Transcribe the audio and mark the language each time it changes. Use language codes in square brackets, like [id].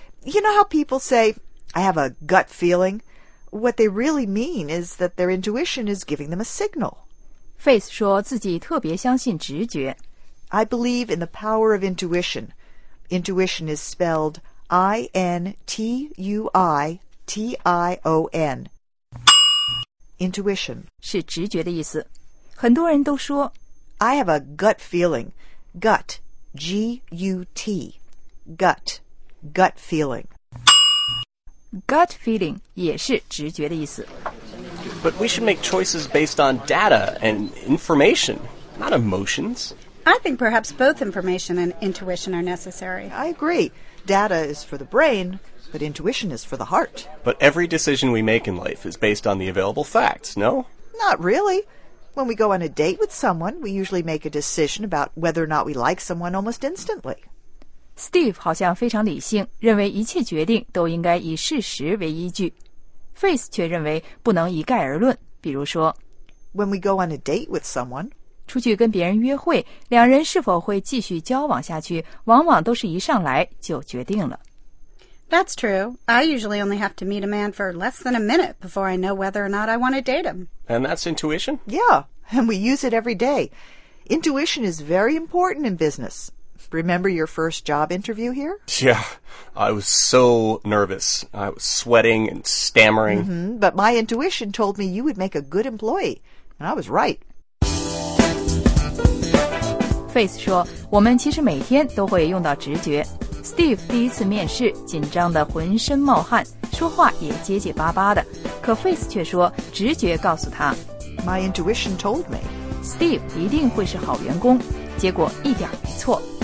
[en] You know how people say, I have a gut feeling? What they really mean is that their intuition is giving them a signal. [zh] Faith 说自己特别相信直觉。 [en] I believe in the power of intuition. Intuition is spelled I-N-T-U-I-T-I-O-N. Intuition. [zh] 是直觉的意思。很多人都说 [en] I have a gut feeling. Gut. G-U-T. Gut. Gut feeling. [zh] Gut feeling 也是直觉的意思。 [en] But we should make choices based on data and information, not emotions. I think perhaps both information and intuition are necessary. I agree. Data is for the brain, but intuition is for the heart. But every decision we make in life is based on the available facts, no? Not really. When we go on a date with someone, we usually make a decision about whether or not we like someone almost instantly. [zh] Steve 好像非常理性，认为一切决定都应该以事实为依据。 Faith 却认为不能一概而论，比如说 [en] When we go on a date with someone, [zh] 出去跟别人约会，两人是否会继续交往下去，往往都是一上来就决定了。 [en] That's true. I usually only have to meet a man for less than a minute before I know whether or not I want to date him. And that's intuition? Yeah, and we use it every day. Intuition is very important in business. Remember your first job interview here? Yeah. I was so nervous. I was sweating and stammering. Mm-hmm. But my intuition told me you would make a good employee. And I was right. [zh] Faith 说，我们其实每天都会用到直觉。Steve 第一次面试紧张得浑身冒汗，说话也结结巴巴的，可 Faith 却说直觉告诉他 [en] My intuition told me [zh] Steve 一定会是好员工，结果一点没错。